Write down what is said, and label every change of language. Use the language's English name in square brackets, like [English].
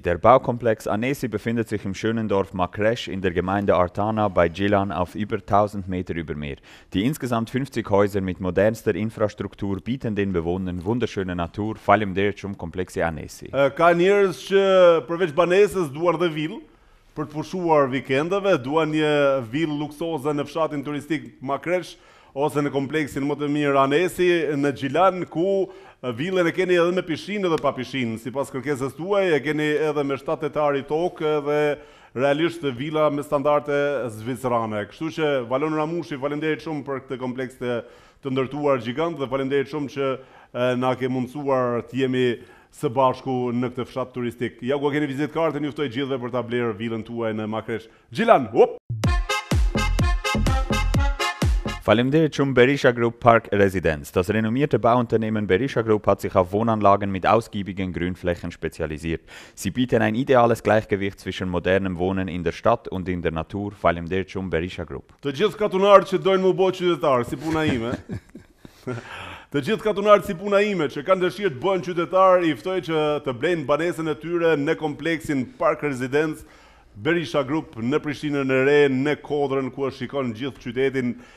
[German] Der Baukomplex Anesi befindet sich im schönen Dorf Makresh in der Gemeinde Artana bei Gjilan auf über 1000 Meter über Meer. Die insgesamt 50 Häuser mit modernster Infrastruktur bieten den Bewohnern wunderschöne Natur. [Albanian] Faleminderit shumë kompleksi Anesi. Ka njerëz që përveç banesës duan dhe vill për të pushuar vikendeve, duan një vill luksoze në fshatin turistik Makresh ose në kompleksin më të mirë Anesi në Gjilan ku villën e keni edhe me pishinë edhe pa pishinë, sipas kërkesës tuaj, e keni edhe me 7 hektarë tokë dhe realisht villa me standarde zvicrane. Kështu që Valon Ramushi, faleminderit shumë për këtë kompleks të ndërtuar gjigant dhe faleminderit shumë që na ke mundësuar të jemi së bashku në këtë fshat turistik. Ja ku a keni vizit kartën, juftoj gjithve për ta blerë vilën tuaj në Makresh. Gjilan, hop! Faleminderit shumë Berisha Group Park Residence. [German] Das renommierte Bauunternehmen Berisha Group hat sich auf Wohnanlagen mit ausgiebigen Grünflächen spezialisiert. Sie bieten ein ideales Gleichgewicht zwischen modernem Wohnen in der Stadt und in der Natur. [Albanian] Faleminderit shumë Berisha Group. Të gjithë katunarët që dojnë më bëhet qytetar, si puna ime. Të gjithë katunarët si puna ime që kanë dëshirë të bëhen qytetar, i ftoj që të blejnë banesën e tyre në kompleksin Park Residence Berisha Group në Prishtinën e Re, në Kodrën ku është shikon gjithë qytetin.